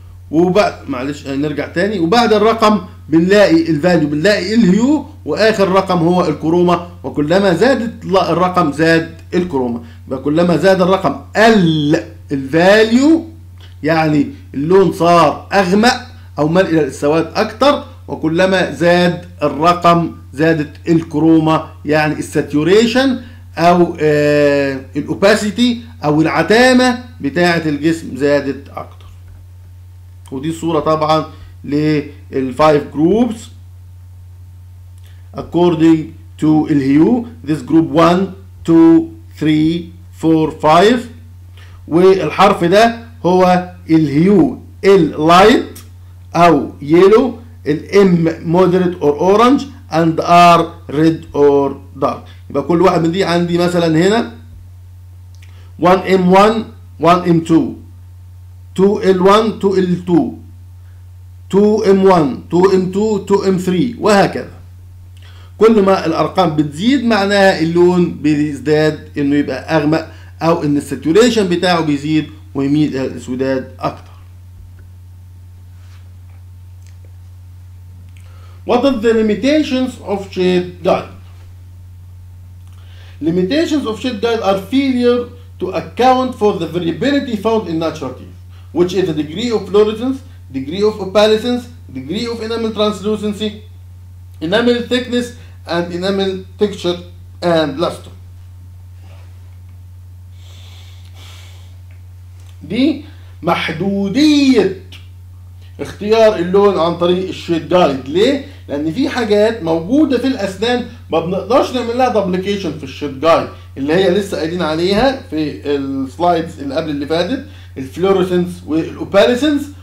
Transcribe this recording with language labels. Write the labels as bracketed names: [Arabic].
[Arabic] وبعد معلش نرجع تاني، وبعد الرقم بنلاقي الفاليو، بنلاقي الهيو، واخر رقم هو الكروما، وكلما زادت الرقم زاد الكروما، وكلما زاد الرقم قل الفاليو، يعني اللون صار اغمق او مال الى السواد اكتر، وكلما زاد الرقم زادت الكروما، يعني الساتوريشن او الاوباسيتي او العتامه بتاعه الجسم زادت اكتر. ودي الصوره طبعا للفايف جروبس [English] according to the hue. This group 1, 2, 3, 4, 5 [Arabic] والحرف ده هو الهيو، ال light او yellow، ال m moderate or orange، and r red or dark. يبقى كل واحد من دي عندي مثلا هنا 1M1 1M2 2L1 2L2 2M1 2M2 2M3 وهكذا. كل ما الارقام بتزيد معناها اللون بيزداد، انه يبقى اغمق او ان الساتوريشن بتاعه بيزيد ويميل الى الاسوداد اكتر. [English] What are the limitations of shade guide? Limitations of shade guide are failure to account for the variability found in natural teeth, which is the degree of fluorescence, degree of opalescence, degree of enamel translucency, enamel thickness, and enamel texture and luster. [Arabic] دي محدودية اختيار اللون عن طريق الشيت جايد. ليه؟ لان في حاجات موجودة في الاسنان ما بنقدرش نعمل لها دوبليكيشن في الشيت جايد، اللي هي لسه قايلين عليها في السلايدز اللي قبل اللي فاتت، الفلوريسنس والاوباليسنس،